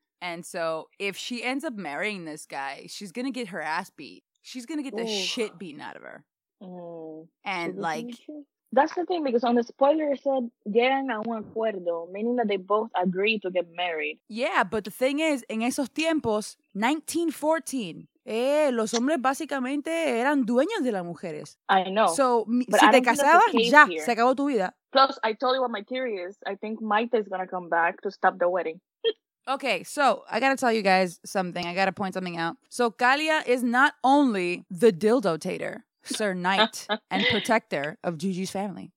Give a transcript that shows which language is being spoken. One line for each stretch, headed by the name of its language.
English: And so if she ends up marrying this guy, she's going to get her ass beat. She's going to get the shit beaten out of her. Mm-hmm. And like... That's the thing, because on the spoiler it said,
Spanish: llegan a un acuerdo,
English: meaning that they both agree to get married. Yeah, but the thing is,
Spanish: en esos tiempos,
English: 1914...
Spanish: los hombres básicamente eran dueños de las mujeres.
English: I know.
Spanish: So, si te casabas, ya, se acabó tu vida.
English: Plus, I told you what my theory is. I think Maite is going to come back to stop the wedding. Okay, so, I got to tell you guys something. I got to point something out. So, Kalia is not only the dildo-tater, sir knight, and protector of Gigi's family.